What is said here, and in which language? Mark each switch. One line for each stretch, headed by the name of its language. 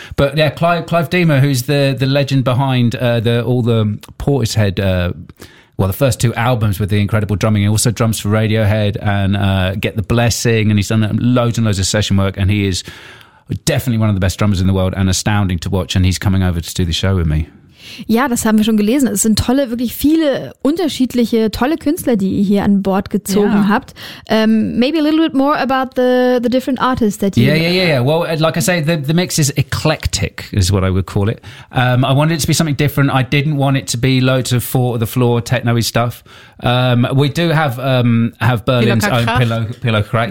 English: But yeah, Clive Deamer, who's the legend behind all the Portishead. Well, the first two albums with the incredible drumming. He also drums for Radiohead and Get the Blessing. And he's done loads and loads of session work. And he is definitely one of the best drummers in the world and astounding to watch. And he's coming over to do the show with me.
German: Ja, das haben wir schon gelesen. Es sind tolle, wirklich viele unterschiedliche, tolle Künstler, die ihr hier an Bord gezogen habt.
English: Maybe a little bit more about the different artists that you... Yeah. Well, like I say, the mix is eclectic, is what I would call it. I wanted it to be something different. I didn't want it to be loads of four-of-the-floor techno-y stuff. We do have Berlin's own pillow crack.